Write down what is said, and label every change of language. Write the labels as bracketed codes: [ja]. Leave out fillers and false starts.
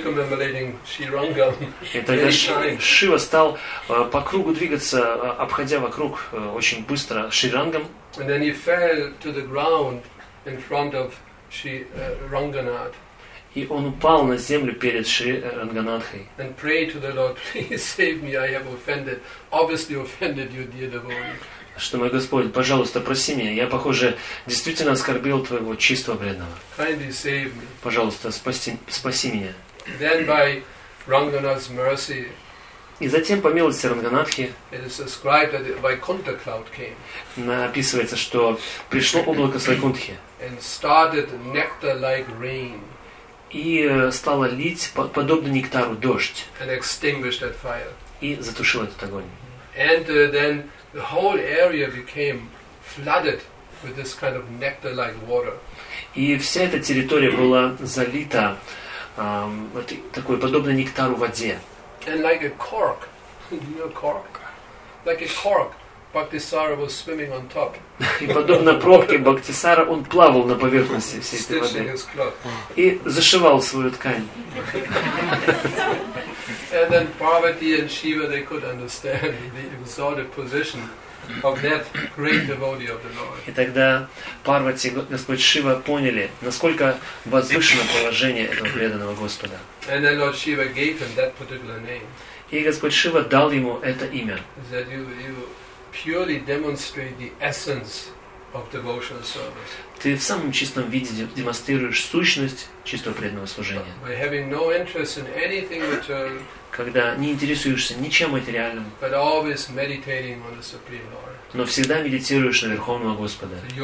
[ru] И тогда Шива стал по кругу двигаться, обходя вокруг очень быстро Шрирангам. И тогда он упал на землю перед Ранганатхой. И он упал на землю перед Шри Ранганатхой. [en] And pray to the Lord, please save me. I have offended, obviously offended you, dear devotee. [ru] Что, мой Господь, пожалуйста, прости меня. Я, похоже, действительно оскорбил твоего чистого бредного. [en] Kindly save me. [ru] Пожалуйста, спаси меня. [en] Then by Ranganath's mercy. [ru] И затем по милости Ранганатхи. [en] It is described that Vaikuntha cloud came. [ru] Написывается, что пришло облако с Вайкунтхи. [en] And started nectar-like rain. [ru] И стало лить, подобно нектару, дождь. [en] And extinguished that fire. [ru] И затушил этот огонь. [en] And then the whole area became flooded with this kind of nectar-like water. [ru] И вся эта территория была залита такой, подобно нектару, воде. [en] And like a cork, you know cork? Like a cork, Bhaktisara was swimming on top. [ru] И подобно пробке Бхактисара, он плавал на поверхности всей этой воды и зашивал свою ткань. [en] And then Parvati and Shiva, they could understand the exalted position of that great devotee of the Lord. [ru] И тогда Парвати, Господь Шива поняли, насколько возвышено положение этого преданного Господа. [en] And then Lord Shiva gave him that particular name. [ru] И Господь Шива дал ему это имя. [en] That you purely demonstrate the essence of devotional service. [ru] Ты в самом чистом виде демонстрируешь сущность чистого преданного служения. [en] By having no interest in anything material. [ru] Когда не интересуешься ничем материальным, но всегда медитируешь на Верховного Господа.